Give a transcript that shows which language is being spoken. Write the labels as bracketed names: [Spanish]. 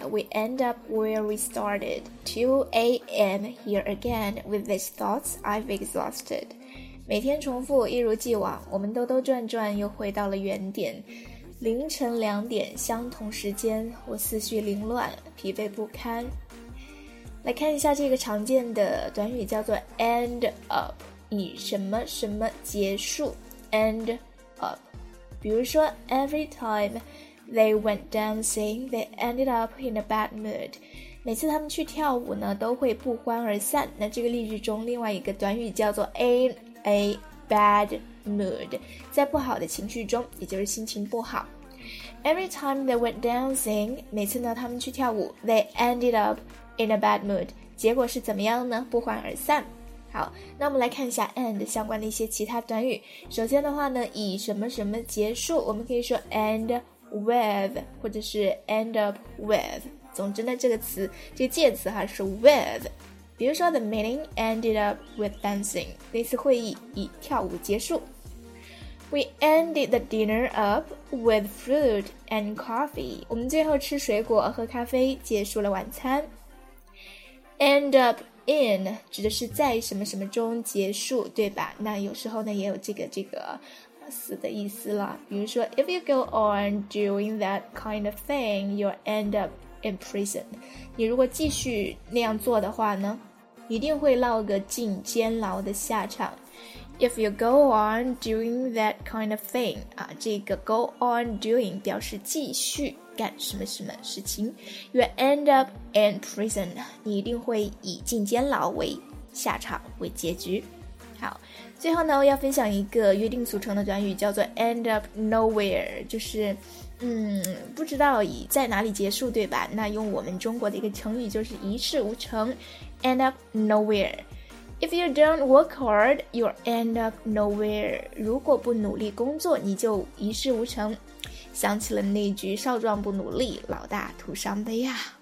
[English] We end up where we started. 2 a.m. here again with these thoughts I've exhausted. [Chinese] 每天重复，一如既往，我们兜兜转转又回到了原点。凌晨两点，相同时间，我思绪凌乱，疲惫不堪。来看一下这个常见的短语，叫做 end up， 以什么什么结束。 [English] End up， 比如说 every time they went dancing they ended up in a bad mood， [Chinese] 每次他们去跳舞呢都会不欢而散。那这个例句中另外一个短语叫做 in a bad mood， 在不好的情绪中，也就是心情不好。 [English] Every time they went dancing， [Chinese] 每次呢他们去跳舞， [English] they ended up in a bad mood， [Chinese] 结果是怎么样呢？不欢而散。好，那我们来看一下 end 相关的一些其他短语。首先的话呢，以什么什么结束，我们可以说 end with 或者是 end up with。总之呢，这个词这个介词哈是 with， 比如说 [English] the meeting ended up with dancing， [Chinese] 那次会议以跳舞结束。 [English] We ended the dinner up with fruit and coffee， [Chinese] 我们最后吃水果喝咖啡结束了晚餐。 end upIn 指的是在什么什么中结束，对吧？那有时候呢也有这个死的意思了，比如说 [English] If you go on doing that kind of thing you'll end up in prison， [Chinese] 你如果继续那样做的话呢，一定会落个进监牢的下场。 [English] If you go on doing that kind of thing [Chinese] 啊，这个 go on doing 表示继续干什么什么事情， [English] you end up in prison， [Chinese] 你一定会以进监牢为下场为结局。好，最后呢要分享一个约定俗成的短语，叫做 end up nowhere， 就是不知道以在哪里结束，对吧？那用我们中国的一个成语就是一事无成， end up nowhere。 [English] If you don't work hard, you end up nowhere. [Chinese] 如果不努力工作，你就一事无成。想起了那句少壮不努力，老大徒伤悲呀。